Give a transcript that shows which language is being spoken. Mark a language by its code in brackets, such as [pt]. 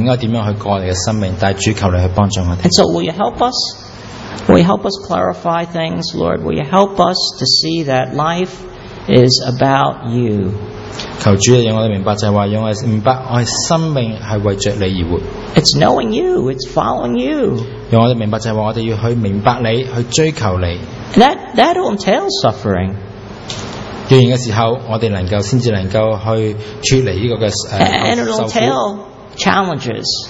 [zh] 其实在这个世界当中，很多时间，我们会听到很多不同的声音，很多的意见，我们应该怎样去过我们的生命，但是主求你去帮助我们。 [en] And so will you help us? Will you help us clarify things, Lord? Will you help us to see that life is about you? [zh] 求主让我们明白，就是说让我们明白，我们生命是为着你而活。 [en] It's knowing you, it's following you. [zh] 让我们明白，就是说我们要去明白你，去追求你。 [en] That will entail suffering. [zh] 若然的时候，我们能够先至能够去处理这个受苦。 [en] And it will entail challenges.